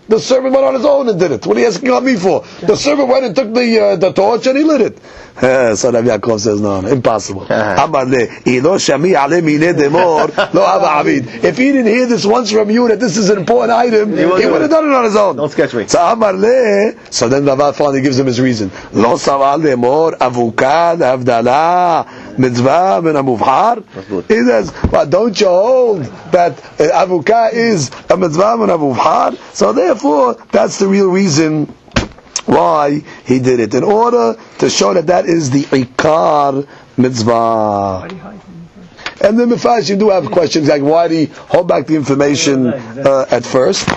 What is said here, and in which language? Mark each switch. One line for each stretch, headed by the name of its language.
English: The servant went on his own and did it. What are you asking on me for? The servant went and took the torch and he lit it. So Rav Yaakov says, no, impossible. Amar Leh.
Aramaic: Ilo shami ale mine demor lo ava avid.
English: If he didn't hear this once from you that this is an important item, he would have done it on his own. Don't sketch me. So Amar Leh. So then Rava finally gives him his reason.
Aramaic: לא סבל לאמור אבוקד הבדלה מצווה מן המובחר.
English: He says, well, don't you hold that avuka is a mitzvah מן המובחר? So therefore, that's the real reason why he did it, in order to show that that is the עיקר mitzvah. And the Mefarshim, you do have questions like why did he hold back the information at first.